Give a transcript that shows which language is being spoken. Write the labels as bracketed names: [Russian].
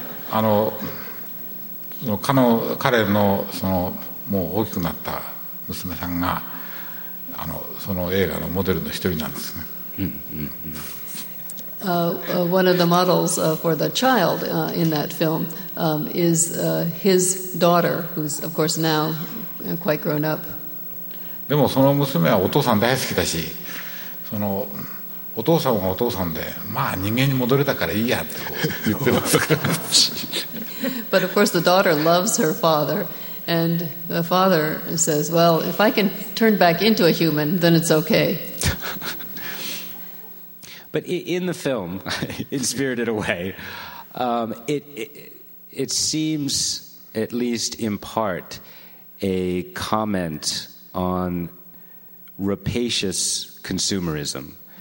[English] One of the models for the child in that film is his daughter, who's of course now quite grown up. [Japanese] でもその娘はお父さん大好きだし、そのお父さんはお父さんで、まあ人間に戻れたからいいやってこう言ってますから。 [English] But of course the daughter loves her father, and the father says, well, if I can turn back into a human, then it's okay. But in the film, in Spirited Away, it seems, at least in part, a comment on rapacious consumerism.